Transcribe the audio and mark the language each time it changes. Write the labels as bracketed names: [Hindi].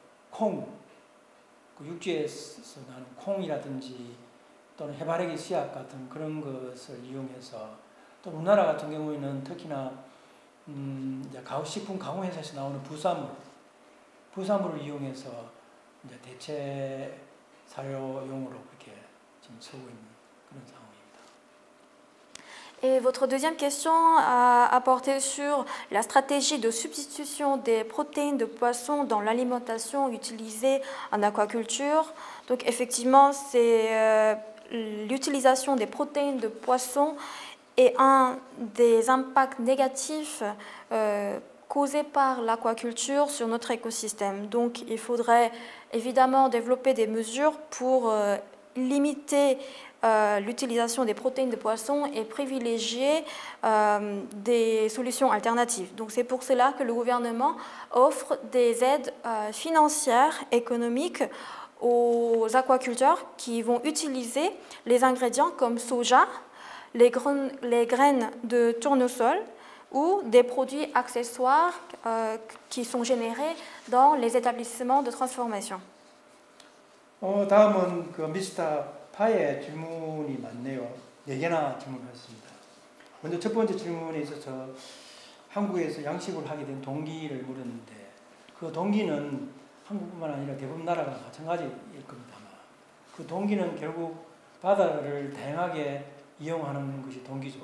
[Korean] 콩 그 육지에서 나는 콩이라든지 또는 해바라기 씨앗 같은 그런 것을 이용해서 또 우리나라 같은 경우에는 특히나 이제 가오식품 가공회사에서 나오는 부산물을 이용해서 이제 대체 사료용으로 그렇게 지금 쓰고 있는 그런 상황입니다. [French] Et votre deuxième question a porté sur la stratégie de substitution des protéines de poisson dans l'alimentation utilisée en aquaculture. Donc effectivement, c'est l'utilisation des protéines de poisson est un des impacts négatifs causés par l'aquaculture sur notre écosystème. Donc il faudrait évidemment développer des mesures pour limiter l'utilisation des protéines de poisson et privilégier des solutions alternatives. Donc c'est pour cela que le gouvernement offre des aides financières, économiques aux aquaculteurs qui vont utiliser les ingrédients comme soja, les graines de tournesol ou des produits accessoires qui sont générés dans les établissements de transformation. [Korean] 다음은 그 미스터 파의 질문이 많네요. 네 개나 질문했습니다. 먼저 첫 번째 질문에 있어서 한국에서 양식을 하게 된 동기를 물었는데 그 동기는 한국뿐만 아니라 대부분 나라가 마찬가지일 겁니다만 그 동기는 결국 바다를 다양하게 이용하는 것이 동기죠.